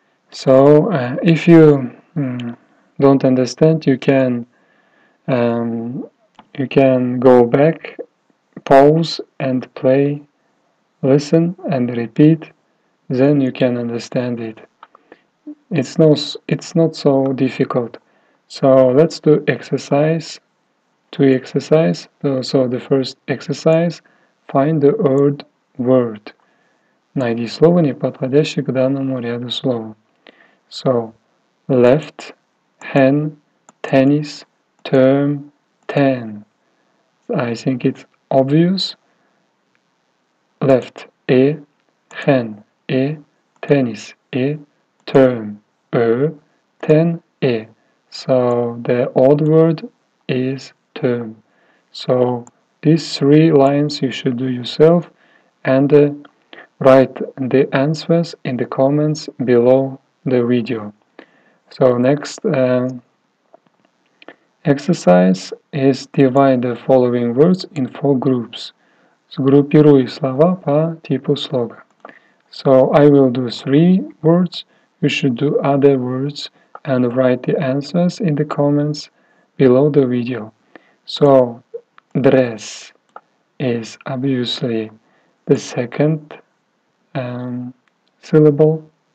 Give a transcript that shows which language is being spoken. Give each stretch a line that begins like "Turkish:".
English: So, if you don't understand, you can go back, pause and play, listen and repeat, then you can understand it. It's not so difficult. So let's do exercise, two exercise. So the first exercise, find the word word.
Russian: Найди слово, не подходящее к данному ряду слов.
English: So left, hen, tennis, term, ten. I think it's obvious. Left, e, hen, e, tennis, e, term, e, ten, e. So the odd word is term. So these three lines you should do yourself, and write the answers in the comments below the video. So next exercise is divide the following words in four groups.
Russian: Сгруппируй слова по типу слога.
English: So I will do three words, you should do other words and write the answers in the comments below the video. So dress is obviously the second syllable.